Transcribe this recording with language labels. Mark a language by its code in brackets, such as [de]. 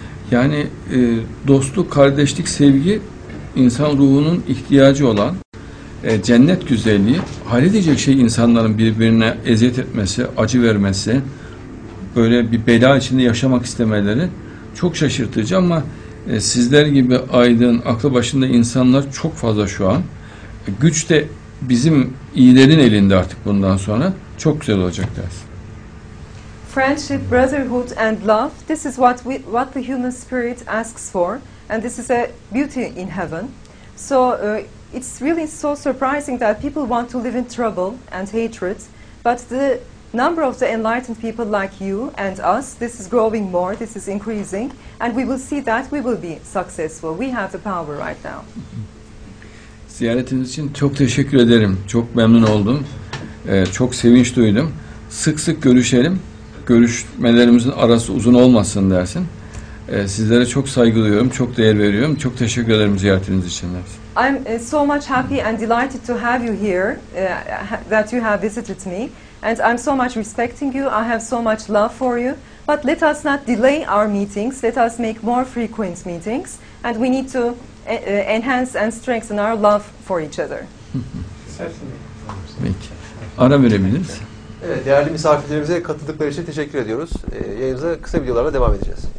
[tr] Yani dostluk, kardeşlik, sevgi insan ruhunun ihtiyacı olan cennet güzelliği, halledecek şey insanların birbirine eziyet etmesi, acı vermesi, böyle bir bela içinde yaşamak istemeleri çok şaşırtıcı ama sizler gibi aydın, aklı başında insanlar çok fazla şu an. Güç de bizim iyilerin elinde artık bundan sonra. Çok güzel olacak ders. [en] Friendship, brotherhood and love, this is what the human spirit asks for, and this is a beauty in heaven. So it's really so surprising that people want to live in trouble and hatred, but the number of the enlightened people like you and us, this is growing more, this is increasing, and we will see that we will be successful. We have the power right now. [tr] Ziyaretiniz için çok teşekkür ederim. Çok memnun oldum. Çok sevinç duydum. Sık sık görüşelim. Görüşmelerimizin arası uzun olmasın dersin. Sizlere çok saygı duyuyorum, çok değer veriyorum. Çok teşekkür ederim ziyaretiniz için dersin. [en] I'm so much happy and delighted to have you here, that you have visited me. And I'm so much respecting you, I have so much love for you. But let us not delay our meetings, let us make more frequent meetings. And we need to enhance and strengthen our love for each other. [tr] Peki. Ara verebiliriz. Evet, değerli misafirlerimize katıldıkları için teşekkür ediyoruz. Yayınımıza kısa videolarla devam edeceğiz.